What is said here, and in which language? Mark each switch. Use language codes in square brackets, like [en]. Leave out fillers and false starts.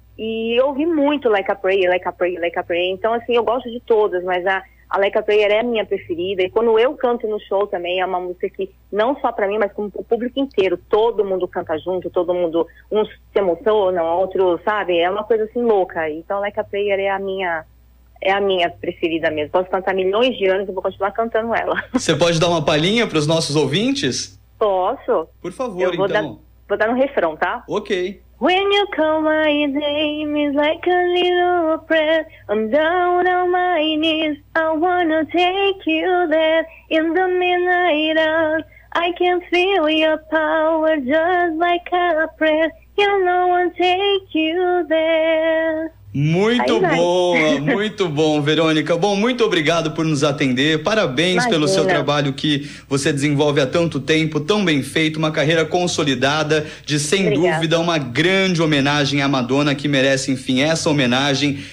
[pt] E eu ouvi muito Like a Prayer, Like a Prayer, Like a Prayer, então assim, eu gosto de todas, mas a Like a Prayer é a minha preferida, e quando eu canto no show também, é uma música que, não só pra mim, mas com o público inteiro, todo mundo canta junto, todo mundo, uns se emocionam, outros, sabe, é uma coisa assim louca. Então Like a Prayer é a minha... é a minha preferida mesmo. Posso cantar milhões de anos e vou continuar cantando ela. Você pode dar uma palhinha para os nossos ouvintes? Posso. Por favor, então. Vou dar no refrão, tá? Ok. [en] When you call my name, it's like a little prayer. I'm down on my knees, I wanna take you there. In the midnight hour, I can feel your power just like a prayer. You know I'll take you there. [pt] Muito bom, muito bom, Verônica. Bom, muito obrigado por nos atender. Parabéns. Imagina. Pelo seu trabalho que você desenvolve há tanto tempo, tão bem feito, uma carreira consolidada, de sem Obrigada. Dúvida uma grande homenagem à Madonna, que merece, enfim, essa homenagem